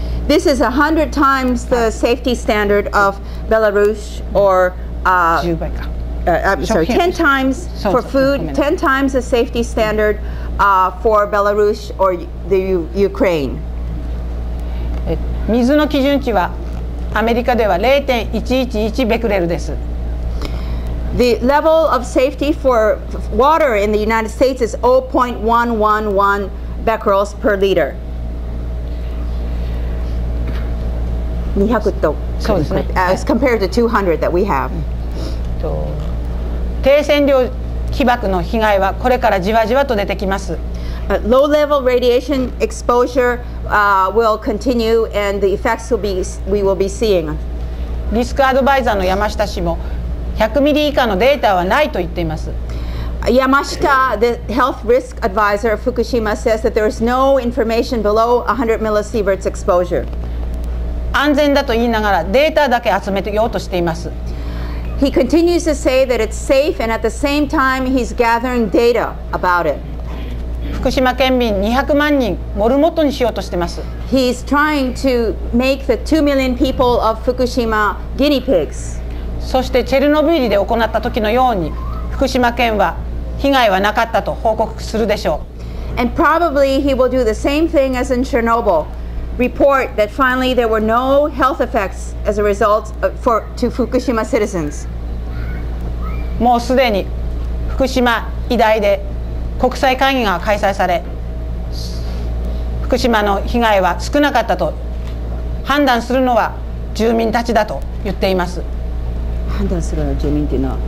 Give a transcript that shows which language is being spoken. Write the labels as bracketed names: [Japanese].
[English] This is 100 times the safety standard of Belarus or 10 times for food, 10 times the safety standard for Belarus or the Ukraine. [Japanese] 水の基準値はアメリカでは 0.111 ベクレルです。 [English] The level of safety for water in the United States is 0.111 becquerels per liter. 200 と、as compared to 200 that we have. [Japanese] 低線量被曝の被害はこれからじわじわと出てきます。 [English] Low level radiation exposure will continue and the effects will be, we will be seeing. [Japanese] リスクアドバイザーの山下氏も100ミリ以下のデータはないと言っています。 [English] 山下、the health risk advisor of Fukushima says that there is no information below 100 millisieverts exposure. [Japanese] 安全だと言いながらデータだけ集めようとしています。 [English] He continues to say that it's safe and at the same time he's gathering data about it. [Japanese] 福島県民200万人モルモットにしようとしています。 [English] He's trying to make the 2 million people of Fukushima guinea pigs. [Japanese] そしてチェルノブイリで行った時のように福島県は被害はなかったと報告するでしょう。 [English] And probably he will do the same thing as in Chernobyl. Report that finally there were no health effects as a result for to Fukushima citizens. [Japanese] もうすでに福島医大で国際会議が開催され、福島の被害は少なかったと判断するのは住民たちだと言っています。判断するのは住民というのは、